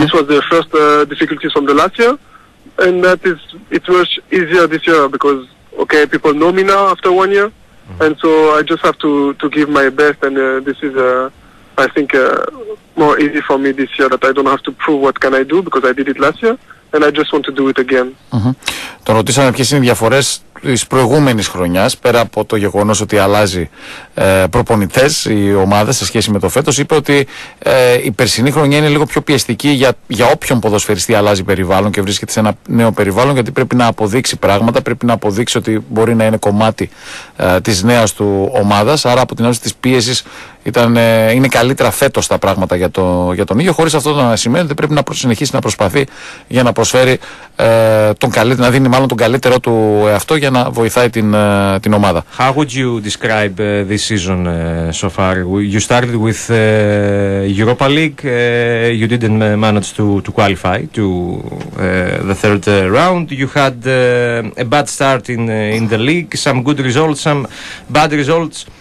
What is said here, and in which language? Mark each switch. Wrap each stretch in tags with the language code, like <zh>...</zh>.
<en>This was the first difficulties from the last year. And that is, it's much easier this year because, okay, people know me now after 1 year. Mm-hmm. And so I just have to give my best. And this is, I think, more easy for me this year, that I don't have to prove what can I do because I did it last year. And I just want to do it again. Mm-hmm.</en> <el>Το ρωτήσαμε ποιες είναι οι διαφορές της προηγούμενης χρονιάς, πέρα από το γεγονός ότι αλλάζει προπονητές η ομάδα σε σχέση με το φέτος. Είπε ότι η περσινή χρονιά είναι λίγο πιο πιεστική για όποιον ποδοσφαιριστή αλλάζει περιβάλλον και βρίσκεται σε ένα νέο περιβάλλον, γιατί πρέπει να αποδείξει πράγματα, πρέπει να αποδείξει ότι μπορεί να είναι κομμάτι της νέας του ομάδας. Άρα από την άποψη της πίεσης είναι καλύτερα φέτος τα πράγματα για τον ίδιο, χωρίς αυτό να σημαίνει ότι πρέπει να συνεχίσει να προσπαθεί για να προσφέρει να δίνει μάλλον τον καλύτερο του εαυτό για να βοηθάει την ομάδα.</el> <en>How would you describe this season so far? You started with Europa League, you didn't manage to qualify to the third round. You had a bad start in the league, some good results, some bad results.</en>